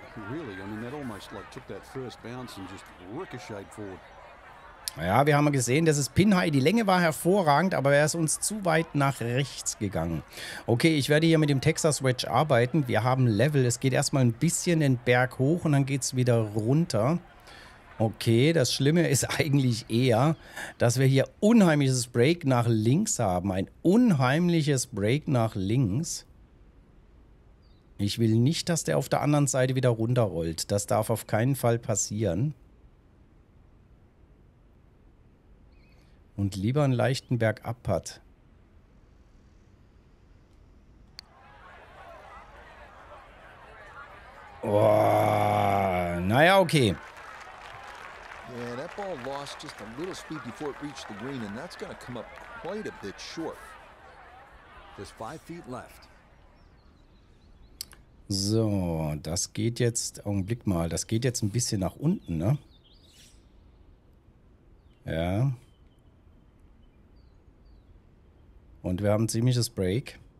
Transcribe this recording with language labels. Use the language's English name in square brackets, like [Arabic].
[English] Really, I mean, that almost like took that first bounce and just ricocheted forward. [German] Ja, wir haben gesehen, das ist Pin-High. Die Länge war hervorragend, aber er ist uns zu weit nach rechts gegangen. Okay, ich werde hier mit dem Texas Wedge arbeiten. Wir haben Level. Es geht erstmal ein bisschen den Berg hoch und dann geht es wieder runter. Okay, das Schlimme ist eigentlich eher, dass wir hier unheimliches Break nach links haben. Ein unheimliches Break nach links. Ich will nicht, dass der auf der anderen Seite wieder runterrollt. Das darf auf keinen Fall passieren. Und lieber einen leichten Bergabputt. Oh, naja, okay. [English] Yeah, that ball lost just a little speed before it reached the green, and that's gonna come up quite a bit short. There's 5 feet left. [German] So, das geht jetzt, Augenblick mal, das geht jetzt ein bisschen nach unten, ne? Ja. Und wir haben ein ziemliches Break.